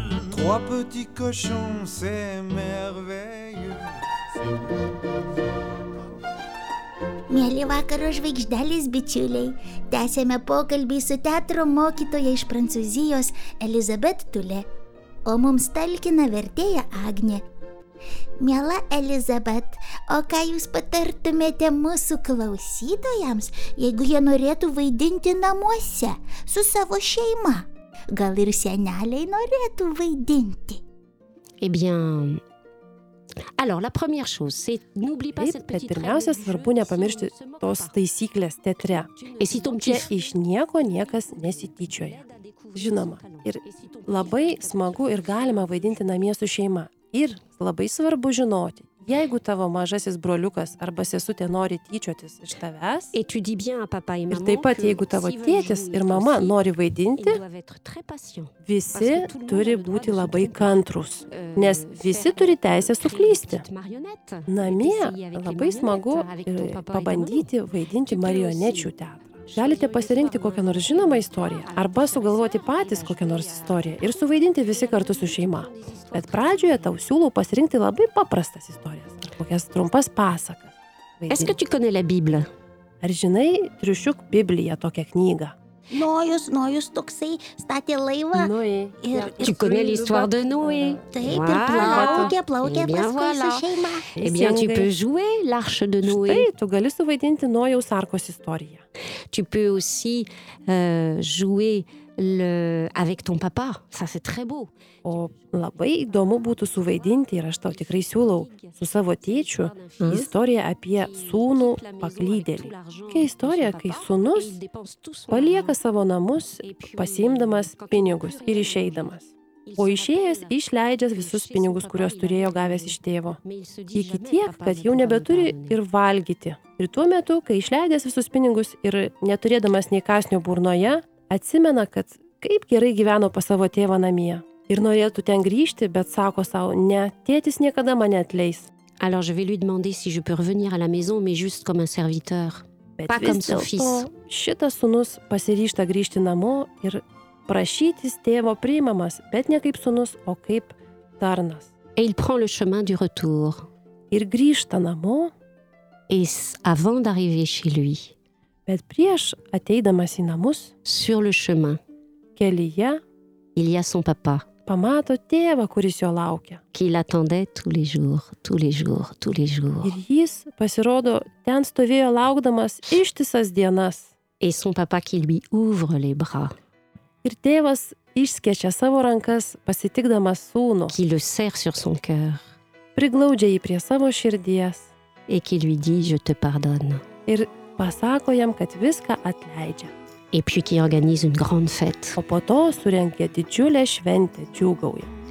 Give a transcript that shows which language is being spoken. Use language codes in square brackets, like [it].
[fr] Trois petits cochons, c'est merveilleux. [lt] Mėly vakaro žvaigždelės bičiuliai, tęsėme pokalbį su teatro mokytoja iš Prancūzijos Elizabet Tule, o mums talkina vertėja Agnė. Miela Elizabet, o ką jūs patartumėte mūsų klausytojams, jeigu jie norėtų vaidinti namuose su savo šeima? Gal ir seneliai norėtų vaidinti? [fr] Eh bien... Alors, la première chose, c'est n'oublie pas cette petite règle. [lt] Pirmiausia, svarbu nepamiršti tos taisyklės teatre. Čia iš nieko niekas nesityčioja. Žinoma, ir labai smagu ir galima vaidinti namie su šeima. Ir labai svarbu žinoti, jeigu tavo mažasis broliukas arba sesutė nori tyčiotis iš tavęs, ir taip pat, jeigu tavo tėtis ir mama nori vaidinti, visi turi būti labai kantrus, nes visi turi teisę suklysti. Namie labai smagu pabandyti vaidinti marionečių teatrą. Galite pasirinkti kokią nors žinomą istoriją, arba sugalvoti patys kokią nors istoriją ir suvaidinti visi kartu su šeima. Bet pradžioje tau siūlau pasirinkti labai paprastas istorijas, ar kokias trumpas pasakas. Ar žinai triušiuk Bibliją tokią knygą? Nojus toksai statė laivą. Ir tikonėlį istuardą Nui. Taip, ir plaukė paskui su šeima. [fr] Et bien, tu peux jouer l'arche de Nui. [lt] Štai, tu gali suvaidinti Nojaus arkos istoriją. [fr] Tu peux aussi jouer le avec ton papa. Ça c'est très beau. [lt] O labai įdomu būtų suvaidinti, ir aš tau tikrai siūlau, su savo tėčiu istoriją apie sūnų paklydėlį. Kai istorija, kai sūnus palieka savo namus, pasiimdamas pinigus ir išeidamas. O išėjęs išleidžias visus pinigus, kuriuos turėjo gavęs iš tėvo. Iki tiek, kad jau nebeturi ir valgyti. Ir tuo metu, kai išleidęs visus pinigus ir neturėdamas nei kasnio burnoje, atsimena, kad kaip gerai gyveno pas savo tėvą namie. Ir norėtų ten grįžti, bet sako sau, ne, tėtis niekada mane atleis. [fr] Alors je vais lui demander si je peux revenir à la maison, mais juste comme un serviteur. Pas comme son fils. [lt] Šitas sūnus pasiryšta grįžti namo ir prašytis tėvo priimamas, bet ne kaip sūnus, o kaip tarnas. [fr] Et il prend le chemin du retour. [lt] Ir grįžta namo. [fr] Et avant d'arriver chez lui. [lt] Bet prieš ateidamas į namus, [fr] sur le chemin, [lt] kelyje, [fr] il y a son papa. [lt] pamato tėvą, kuris jo laukia. [fr] Qu'il attendait tous les jours, tous les jours, tous les jours. [lt] Ir jis, pasirodo, ten stovėjo laukdamas ištisas dienas. [fr] Et son papa qui lui ouvre les bras. [lt] Ir tėvas išskečia savo rankas, pasitikdamas sūnų. [fr] Qui le serre sur son cœur. [lt] Priglaudžia jį prie savo širdies. [fr] Et qui lui dit, je te pardonne. [lt] Ir pasako jam, kad viską atleidžia. [fr] Et puis qui organise une grande fête. [lt] O po to surengia didžiulę šventę, džiūgauja.